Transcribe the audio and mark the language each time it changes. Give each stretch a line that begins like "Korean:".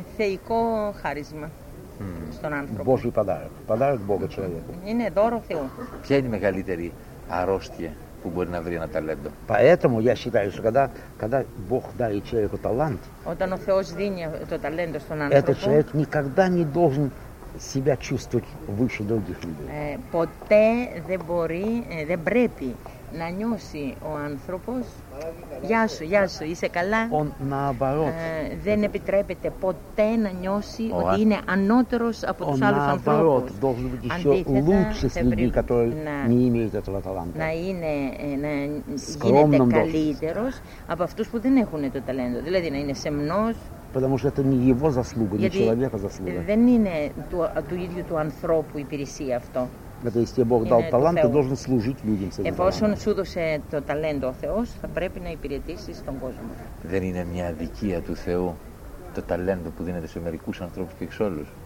Greek: Θεϊκό χάρισμα στον άνθρωπο.
Russian: Божий подарок. Подарок Бога человеку.
Greek: Είναι δώρο Θεού. Ποια είναι η μεγαλύτερη αρρώστια που μπορεί να βρει ένα ταλέντο?
Russian: Поэтому я считаю, что когда Бог дарит человеку талант,
Greek: όταν ο Θεός δίνει το ταλέντο στον άνθρωπο,
Russian: этот человек никогда не должен себя чувствовать выше других людей.
Greek: Ποτέ δεν μπορεί, δεν πρέπει να νιώσει ο άνθρωπος, γεια σου, είσαι καλά.
Russian: Он наоборот.
Greek: Δεν επιτρέπεται ποτέ να νιώσει ότι είναι ανώτερος από τους άλλους ανθρώπους.
Russian: Он наоборот должен быть еще лучше с людьми, которые не имеют этого таланта.
Greek: Να είναι, να γίνεται καλύτερος από αυτούς που δεν έχουν το ταλέντο. Δηλαδή να είναι σεμνός,
Russian: Потому что это не его заслуга, не человека заслуга.
Greek: Δεν είναι του, του ίδιου του ανθρώπου υπηρεσία αυτό.
Russian: Это если тебе Бог дал талант, ты должен служить людям.
Greek: Εφόσον σου δώσε το ταλέντο ο Θεός, θα πρέπει να υπηρετήσεις τον κόσμο. Δεν είναι μια αδικία του Θεού το ταλέντο που δίνεται σε μερικούς ανθρώπους και σε όλους.